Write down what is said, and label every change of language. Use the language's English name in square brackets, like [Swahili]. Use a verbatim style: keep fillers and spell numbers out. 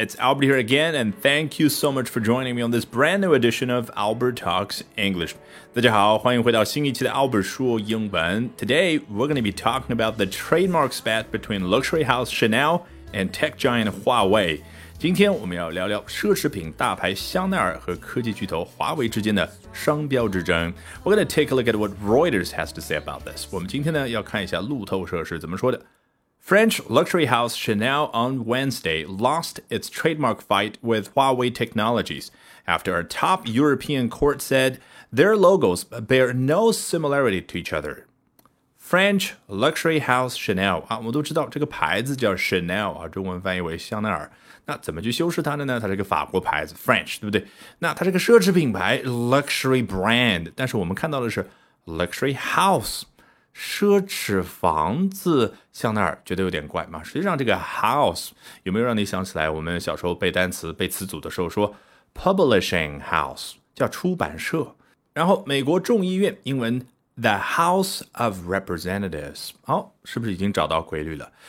[English] It's Albert here again, and thank you so much for joining me on this brand new edition of Albert Talks English. [Chinese] 大家好，欢迎回到新一期的 Albert 说英文。 [English] Today, we're going to be talking about the trademark spat between luxury house Chanel and tech giant Huawei. [Chinese] 今天我们要聊聊奢侈品大牌香奈儿和科技巨头华为之间的商标之争。 [English] We're going to take a look at what Reuters has to say about this. [Chinese] 我们今天呢要看一下路透社是怎么说的。 [English] French luxury house Chanel on Wednesday lost its trademark fight with Huawei Technologies after a top European court said their logos bear no similarity to each other. French luxury house Chanel [Chinese] 啊，我们都知道这个牌子叫 Chanel 啊，中文翻译为香奈儿。那怎么去修饰它的呢？它是个法国牌子 French， 对不对？那它是个奢侈品牌 luxury brand， 但是我们看到的是 luxury house。奢侈房子香奈儿觉得有点怪嘛？实际上这个 house 有没有让你想起来我们小时候背单词背词组的时候说 publishing house 叫出版社，然后美国众议院英文 the House of Representatives 好，是不是已经找到规律了？